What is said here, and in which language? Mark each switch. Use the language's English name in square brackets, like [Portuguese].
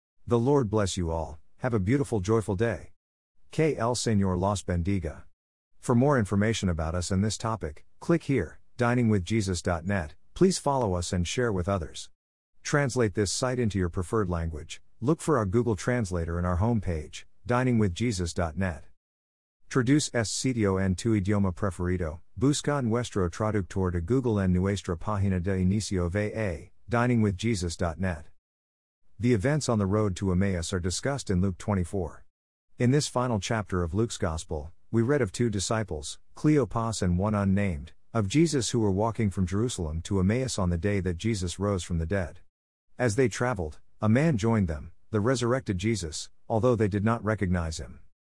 [English] The Lord bless you all, have a beautiful, joyful day. [Spanish] Que el Señor los bendiga. [English] For more information about us and this topic, click here, diningwithjesus.net, please follow us and share with others. Translate this site into your preferred language, look for our Google Translator in our homepage, diningwithjesus.net. [Spanish] Traduce este sitio en tu idioma preferido, busca nuestro traductor de Google en nuestra página de inicio VA, diningwithjesus.net. [English] The events on the road to Emmaus are discussed in Luke 24. In this final chapter of Luke's Gospel, we read of two disciples, Cleopas and one unnamed, of Jesus who were walking from Jerusalem to Emmaus on the day that Jesus rose from the dead. As they traveled, a man joined them, the resurrected Jesus, although they did not recognize him.